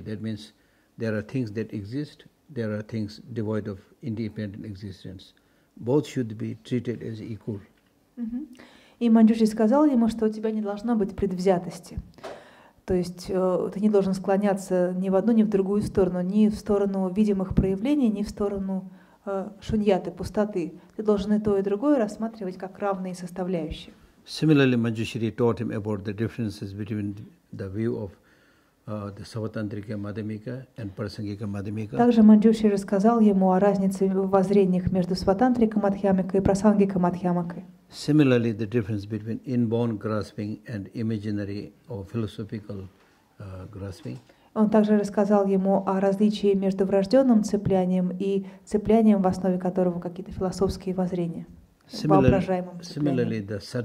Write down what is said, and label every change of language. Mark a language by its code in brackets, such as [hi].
[en] That means there are things that exist, there are things devoid of independent existence. Both should be treated as equal." [ru] И Манджуши сказал ему, что у тебя не должно быть предвзятости. То есть ты не должен склоняться ни в одну, ни в другую сторону, ни в сторону видимых проявлений, ни в сторону шуньяты, пустоты. Ты должен и то, и другое рассматривать как равные составляющие. [en] Similarly, Manjushri taught him about the differences between the view of the Savatantrika Madhyamika and Prasangika Madhyamika. [ru] Также Манджуши рассказал ему о разнице в воззрениях между Саватантрика Мадхьямика и Прасангика Мадхьямика. [en] Similarly, the difference between inborn grasping and imaginary or philosophical grasping. [ru] Он также рассказал ему о различии между врожденным цеплянием и цеплянием, в основе которого какие-то философские воззрения, воображаемым цеплянием.